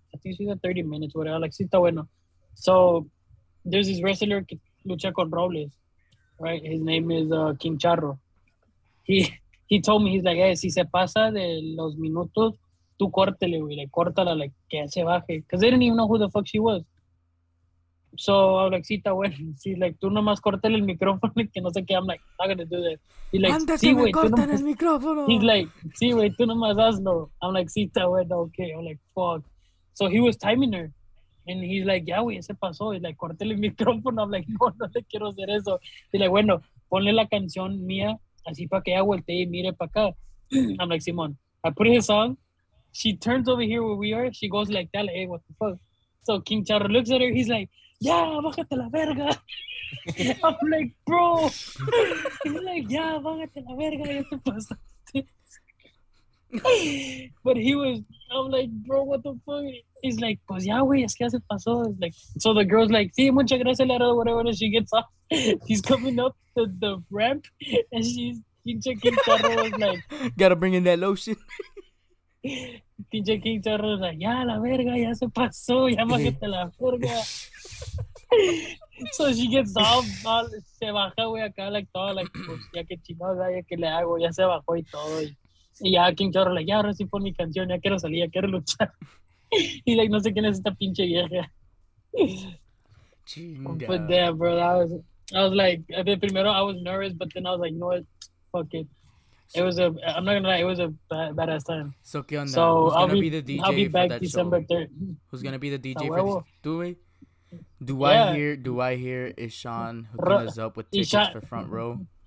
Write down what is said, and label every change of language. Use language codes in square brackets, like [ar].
[en] I think she's at 30 minutes, whatever. Like, [es] sí, está bueno. [en] So, there's this wrestler [es] que lucha con Robles, [en] right? His name is King Charro. He told me, he's like, hey, [es] si se pasa de los minutos, tú córtele, güey. Like, córtala, like, que se baje. [en] Because they didn't even know who the fuck she was. So, I'm like, [es] sí, está bueno. Sí, like, tú nomás córtele el micrófono, que no sé qué. [en] I'm like, not gonna do that. He's like, [es] antes sí, güey, tú nomás... el micrófono. [en] He's like, [es] sí, güey, tú nomás hazlo. [en] I'm like, [es] sí, está bueno, [en] okay. I'm like, fuck. So, he was timing her. And he's like, [es] ya, güey, ese pasó. [en] He's like, córtele el micrófono. I'm like, [es] no, no le quiero hacer eso. [en] He's like, [es] bueno, ponle la canción mía, así para que ella voltee y mire para acá. [en] I'm like, Simón, I put his song. She turns over here where we are. She goes like that, like, hey, what the fuck? So, King Charro looks at her. He's like, [es] ya, bájate la verga. [en] I'm like, bro. He's like, [es] ya, bájate la verga. Ya te pasaste. [en] But he was, I'm like, bro, what the fuck? He's like, [es] pues ya, güey, es que ya se pasó. [en] It's like, so the girl's like, [es] sí, muchas gracias, [en] Lara, whatever. And she gets off. She's coming up the ramp. And she's, pinche King Charro was like, gotta bring in that lotion. [es] Pinche King Charro [en] was like, [es] ya, la verga, ya se pasó. Ya, bájate la verga. [en] So she gets off, [es] se baja, güey, acá, like, todo, like, pues, ya que chingada, ya que le hago, ya se bajó y todo, y ya King Charro, like, ya, ahora sí pon mi canción, ya quiero salir, ya quiero luchar, y, like, no sé quién es esta pinche vieja. Chinga. [en] But damn, bro, I was, like, at the primero, I was nervous, but then I was, like, no, fuck it, I'm not gonna lie, it was a badass time. [es] So, ¿qué onda? [en] So, who's gonna be the DJ for that show? I'll be back December 3rd. Who's gonna be the DJ for this, dude? Do I hear ishaan hooking us up with tickets for front row?